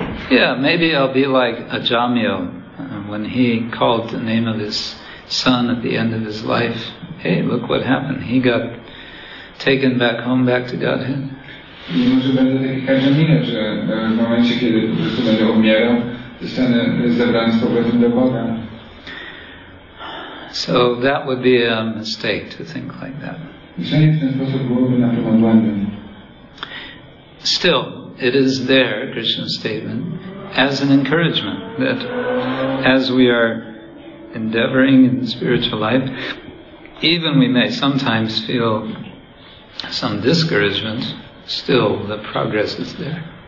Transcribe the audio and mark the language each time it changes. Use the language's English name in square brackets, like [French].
[English] Yeah, maybe I'll be like Ajamyo when he called the name of his son at the end of his life. Hey, look what happened. He got taken back home, back to Godhead. [Polish] I może będę taki Kajamina, że w momencie, kiedy po prostu będę umierał, zostanę zebrany z powrotem do Boga. [English] So that would be a mistake to think like that. [Polish] Myślenie w ten sposób byłoby na pewno błędem. [English] Still, it is there, Krishna's statement, as an encouragement that as we are endeavoring in the spiritual life, even we may sometimes feel some discouragement, still the progress is there.